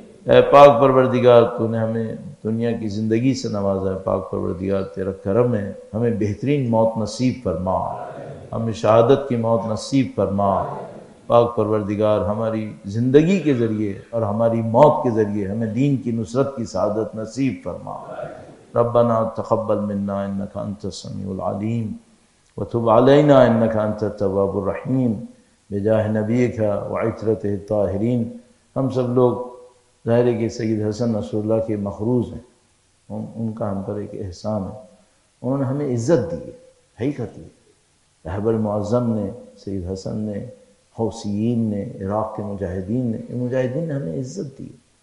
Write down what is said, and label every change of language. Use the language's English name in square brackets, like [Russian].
[Urdu] اے پاک پروردگار تو نے ہمیں دنیا کی زندگی سے نوازا ہے، پاک پروردگار تیرا کرم ہے، ہمیں بہترین موت نصیب فرما، ہمیں شہادت کی موت نصیب فرما. پاک پروردگار ہماری زندگی کے ذریعے اور ہماری موت کے ذریعے ہمیں دین کی نصرت کی سعادت نصیب فرما. [Arabic] ربنا تقبل منا انك انت السميع العليم، وتب علينا انك انت التواب الرحيم، بجاه نبيك وعترته الطاهرين. [Urdu] ہم سب لوگ ظاہر ہے کہ سید حسن نصر اللہ کے مقروض ہیں، ان کا ہم پر ایک احسان ہے، انہوں نے ہمیں عزت دی ہے، حقیقت دی ہے. رہبر معظم نے، سید حسن نے، حوثیین نے، عراق کے مجاہدین نے، ان مجاہدین نے ہمیں عزت دی ہے.